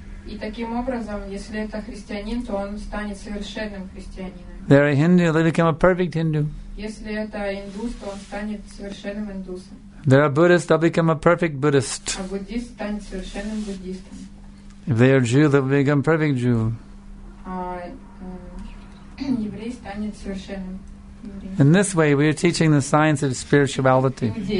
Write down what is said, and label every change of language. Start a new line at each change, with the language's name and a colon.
Russian: И таким образом, если это христианин, то он станет совершенным христианином.
English: They're a Hindu, they become a perfect Hindu.
Russian: Если это индус, то он станет совершенным индусом.
English: They're a Buddhist, they'll become a perfect Buddhist.
Russian: А буддист станет совершенным буддистом.
English: If they're a Jew, they'll become a perfect Jew.
Russian: Еврей станет совершенным.
English: In this way, we are teaching the science of spirituality.